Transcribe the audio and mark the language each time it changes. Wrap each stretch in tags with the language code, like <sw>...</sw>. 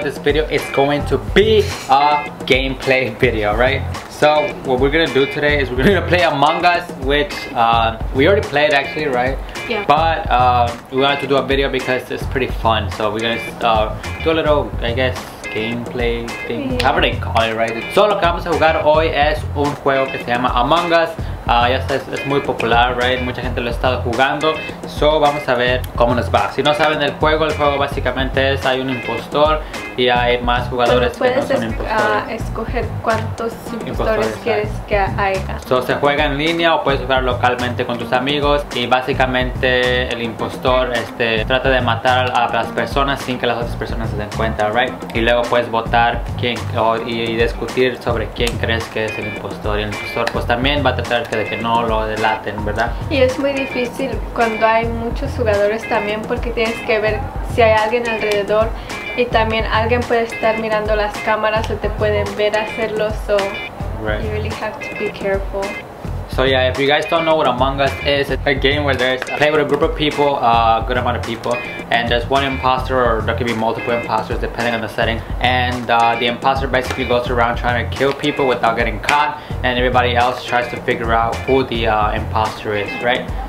<en>This video is going to be a gameplay video, right? So what we're gonna do today is we're gonna play Among Us, which we already played actually, right? Yeah. But we wanted to do a video because it's pretty fun. So we're gonna do a little, I guess, gameplay thing. Yeah. However they call it, right? So</en> <es>lo que vamos a jugar hoy es un juego que se llama Among Us. Ya está, es muy popular,</es> <en>right?</en> <es>Mucha gente lo ha estado jugando.</es> <en>So</en> <es>vamos a ver cómo nos va. Si no saben el juego básicamente es hay un impostor y hay más jugadores que no son impostores. Puedes escoger cuántos impostores quieres que haya.</es> <en>So</en> <es>se juega en línea o puedes jugar localmente con tus amigos. Y básicamente el impostor trata de matar a las personas sin que las otras personas se den cuenta,</es> <en>right?</en> <es>Y luego puedes votar quién y discutir sobre quién crees que es el impostor. Y el impostor pues también va a tratar de que no lo delaten, ¿verdad? Y es muy difícil cuando hay muchos jugadores también, porque tienes que ver si hay alguien alrededor y también alguien puede estar mirando las cámaras o te pueden ver hacerlo,</es> <en>so right. You really have to be careful. So yeah, if you guys don't know what Among Us is, it's a game where there's a play with a group of people, a good amount of people, and there's one imposter, or there can be multiple imposters depending on the setting. And the imposter basically goes around trying to kill people without getting caught, and everybody else tries to figure out who the imposter is, right?</en>